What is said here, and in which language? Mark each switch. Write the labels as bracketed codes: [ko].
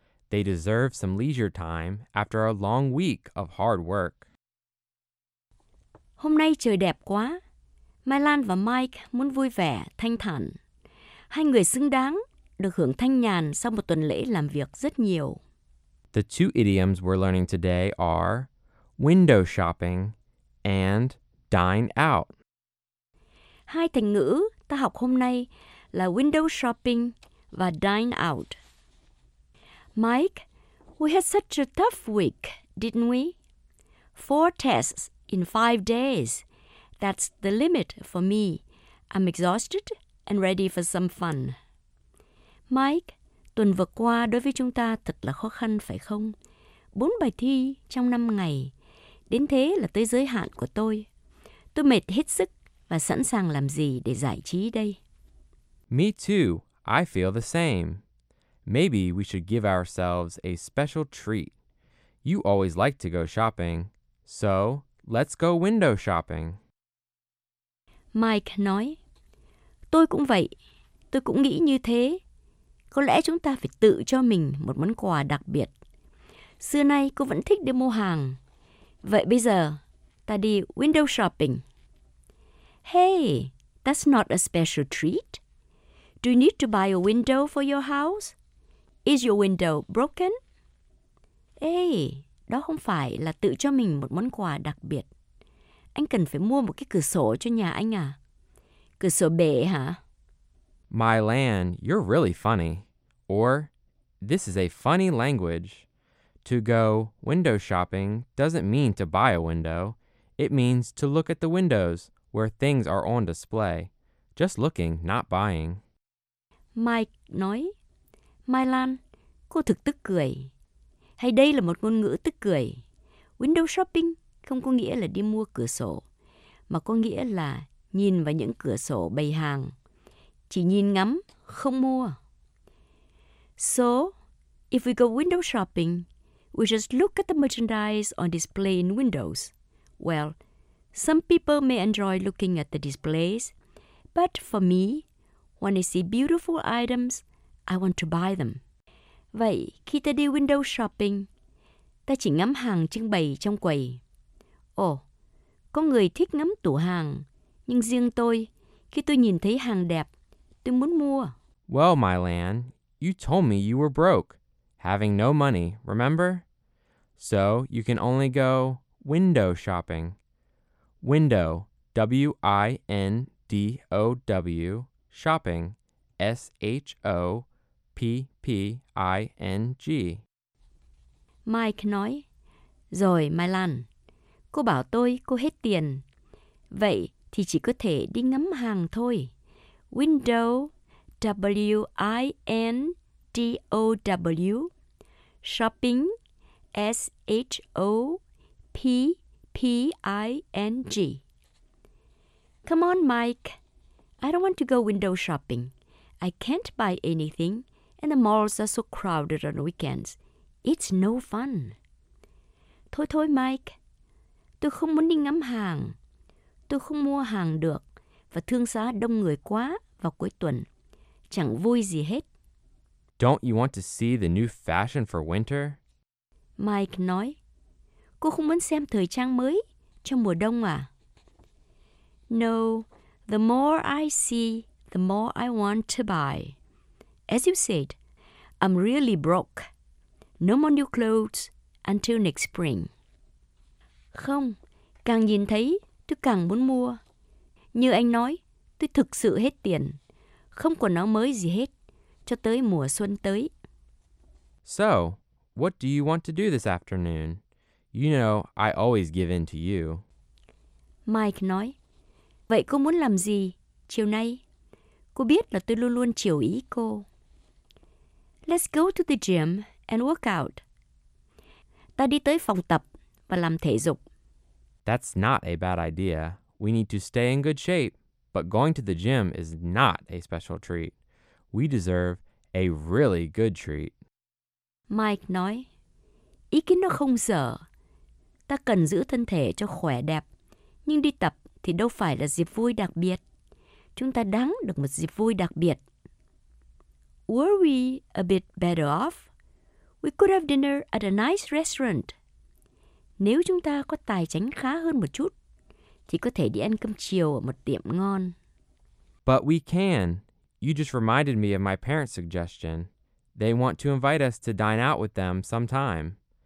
[en] They deserve some leisure time after a long week of hard work. [vi] Hôm nay trời đẹp quá. Mylan và Mike muốn vui vẻ, thanh thản. Hai người xứng đáng được hưởng thanh nhàn sau một tuần lễ làm việc rất nhiều. [en] The two idioms we're learning today are window shopping and dine out. [vi] Hai thành ngữ ta học hôm nay là window shopping và dine out. [en] Mike, we had such a tough week, didn't we? 4 tests in 5 days. That's the limit for me. I'm exhausted and ready for some fun. [vi] Mike, tuần vừa qua đối với chúng ta thật là khó khăn phải không? 4 bài thi trong 5 ngày. Đến thế là tới giới hạn của tôi. Tôi mệt hết sức và sẵn sàng làm gì để giải trí đây? [en] Me too. I feel the same. Maybe we should give ourselves a special treat. You always like to go shopping. So, let's go window shopping. [vi] Mike nói, tôi cũng vậy. Tôi cũng nghĩ như thế. Có lẽ chúng ta phải tự cho mình một món quà đặc biệt. Xưa nay, cô vẫn thích đi mua hàng. Vậy bây giờ, ta đi window shopping. [en] Hey, that's not a special treat. Do you need to buy a window for your house? Is your window broken? [vi] Hey, đó không phải là tự cho mình một món quà đặc biệt. Anh cần phải mua một cái cửa sổ cho nhà anh à? Cửa sổ bể hả? [en] Mylan, you're really funny. Or, this is a funny language. To go window shopping doesn't mean to buy a window. It means to look at the windows where things are on display. Just looking, not buying. [vi] Mike nói, Mylan, cô thực tức cười. Hay đây là một ngôn ngữ tức cười. Window shopping không có nghĩa là đi mua cửa sổ, mà có nghĩa là nhìn vào những cửa sổ bày hàng. Chỉ nhìn ngắm, không mua. [en] So, if we go window shopping, we just look at the merchandise on display in windows. Well, some people may enjoy looking at the displays, but for me, when I see beautiful items, I want to buy them. [vi] Vậy, khi ta đi window shopping, ta chỉ ngắm hàng trưng bày trong quầy. Ồ, có người thích ngắm tủ hàng, nhưng riêng tôi, khi tôi nhìn thấy hàng đẹp, tôi muốn mua. [en] Well, Mylan, you told me you were broke, having no money, remember? So, you can only go window shopping. Window, W-I-N-D-O-W, shopping, S-H-O-P-P-I-N-G. [vi] Mike nói, rồi Mylan, cô bảo tôi cô hết tiền. Vậy thì chỉ có thể đi ngắm hàng thôi. [en] Window, W-I-N-D-O-W, shopping, S-H-O-P-P-I-N-G. Come on, Mike. I don't want to go window shopping. I can't buy anything, and the malls are so crowded on weekends. It's no fun. [vi] Thôi thôi, [en] Mike. [vi] Tôi không muốn đi ngắm hàng. Tôi không mua hàng được, và thương xá đông người quá vào cuối tuần. Chẳng vui gì hết. [en] Don't you want to see the new fashion for winter? [vi] Mike nói, cô không muốn xem thời trang mới cho mùa đông à? [en] No, the more I see, the more I want to buy. As you said, I'm really broke. No more new clothes until next spring. [vi] Không, càng nhìn thấy, tôi càng muốn mua. Như anh nói, tôi thực sự hết tiền. Không quần áo mới gì hết, cho tới mùa xuân tới. [en] So, what do you want to do this afternoon? You know, I always give in to you. [vi] Mike nói, vậy cô muốn làm gì chiều nay? Cô biết là tôi luôn luôn chiều ý cô. [en] Let's go to the gym and work out. [vi] Ta đi tới phòng tập và làm thể dục. [en] That's not a bad idea. We need to stay in good shape. But going to the gym is not a special treat. We deserve a really good treat. [vi] Mike nói, ý kiến nó không dở. Ta cần giữ thân thể cho khỏe đẹp. Nhưng đi tập thì đâu phải là dịp vui đặc biệt. Chúng ta đáng được một dịp vui đặc biệt. [en] Were we a bit better off? We could have dinner at a nice restaurant. [vi] Nếu chúng ta có tài chính khá hơn một chút, thì có thể đi ăn cơm chiều ở một tiệm ngon. [en] But we can. You just reminded me of my parents' suggestion. They want to invite us to dine out with them sometime.